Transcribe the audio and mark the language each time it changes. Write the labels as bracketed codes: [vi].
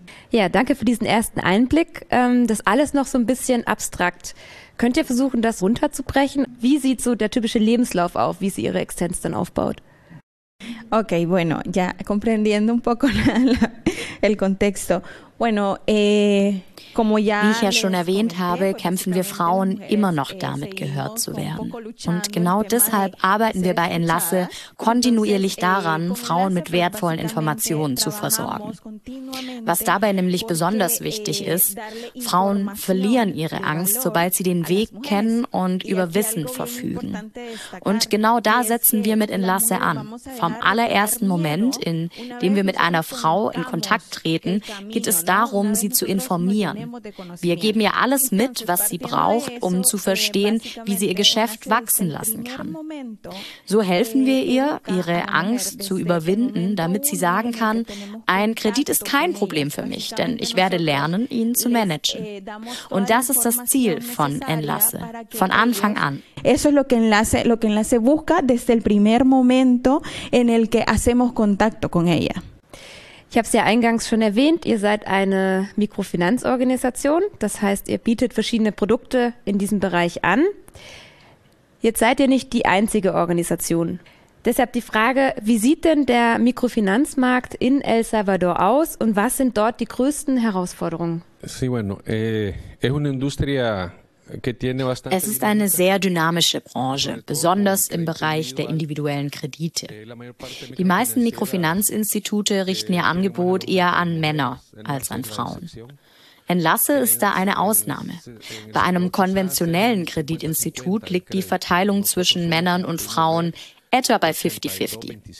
[de] Ja, danke für diesen ersten Einblick. Das alles noch so ein bisschen abstrakt. Könnt ihr versuchen, das runterzubrechen? Wie sieht so der typische Lebenslauf auf, wie sie ihre Existenz dann aufbaut? [es] Okay, bueno, ya comprendiendo un poco el contexto. Bueno, como ya [de] Wie ich ja schon erwähnt habe, kämpfen wir Frauen immer noch damit, gehört zu werden. Und genau deshalb arbeiten wir bei Enlace kontinuierlich daran, Frauen mit wertvollen Informationen zu versorgen. Was dabei nämlich besonders wichtig ist, Frauen verlieren ihre Angst, sobald sie den Weg kennen und über Wissen verfügen. Und genau da setzen wir mit Enlace an. Vom allerersten Moment, in dem wir mit einer Frau in Kontakt treten, geht es darum, sie zu informieren. Wir geben ihr alles mit, was sie braucht, um zu verstehen, wie sie ihr Geschäft wachsen lassen kann. So helfen wir ihr, ihre Angst zu überwinden, damit sie sagen kann, ein Kredit ist kein Problem für mich, denn ich werde lernen, ihn zu managen. Und das ist das Ziel von Enlace, von Anfang an. [es] Eso es lo que Enlace busca desde el primer momento en el que hacemos contacto con ella. [de] Ich habe es ja eingangs schon erwähnt, ihr seid eine Mikrofinanzorganisation, das heißt, ihr bietet verschiedene Produkte in diesem Bereich an. Jetzt seid ihr nicht die einzige Organisation. Deshalb die Frage, wie sieht denn der Mikrofinanzmarkt in El Salvador aus und was sind dort die größten Herausforderungen? [es] Sí, bueno, es una industria. [de] Es ist eine sehr dynamische Branche, besonders im Bereich der individuellen Kredite. Die meisten Mikrofinanzinstitute richten ihr Angebot eher an Männer als an Frauen. Enlace ist da eine Ausnahme. Bei einem konventionellen Kreditinstitut liegt die Verteilung zwischen Männern und Frauen etwa bei 50-50.